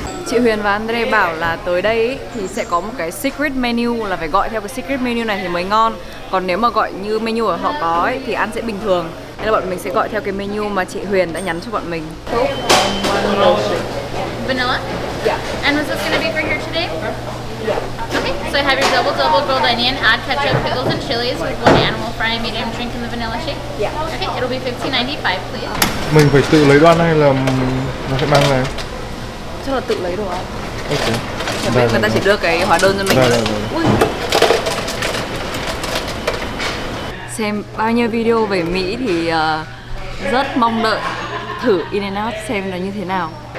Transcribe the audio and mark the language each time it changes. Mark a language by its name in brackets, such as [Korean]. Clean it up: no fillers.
[Vietnamese] Chị Huyền và Andre bảo là tới đây thì sẽ có một cái secret menu, là phải gọi theo cái secret menu này thì mới ngon. Còn nếu mà gọi như menu ở họ có ấy, thì ăn sẽ bình thường. Nên là bọn mình sẽ gọi theo cái menu mà chị Huyền đã nhắn cho bọn mình. [English] Vanilla? Yeah. And was this gonna be for here today? Yeah. Okay, so I have your double double grilled onion, add ketchup, pickles and chilies with one animal fry, medium drink and the vanilla shake. Yeah. Okay, it'll be $15.95 please. [Vietnamese] Mình phải tự lấy đồ ăn hay là nó sẽ mang về? Chắc là tự lấy đồ ăn. [English] Ok. [Vietnamese] Chẳng biết người ta chỉ đưa cái hóa đơn cho mình thôi. Ui. Xem bao nhiêu video về Mỹ thì rất mong đợi thử In-N-Out xem nó như thế nào.